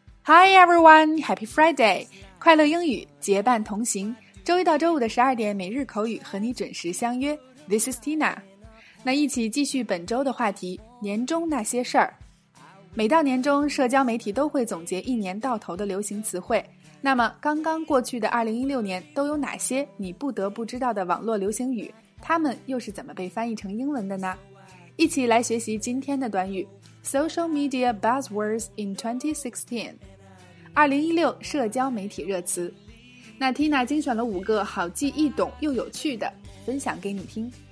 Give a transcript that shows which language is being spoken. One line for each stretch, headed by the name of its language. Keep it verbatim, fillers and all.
English: Hey everyone, Happy Friday!
Chinese: 快乐英语结伴同行，周一到周五的十二点每日口语和你准时相约。
English: This is Tina.
Chinese: 那一起继续本周的话题，年终那些事儿。每到年终，社交媒体都会总结一年到头的流行词汇。那么，刚刚过去的二零一六年都有哪些你不得不知道的网络流行语？它们又是怎么被翻译成英文的呢？一起来学习今天的短语
English: Social Media Buzzwords in twenty sixteen。
Chinese: 二零一六社交媒体热词，那 Tina 精选了五个好记、易懂又有趣的，分享给你听。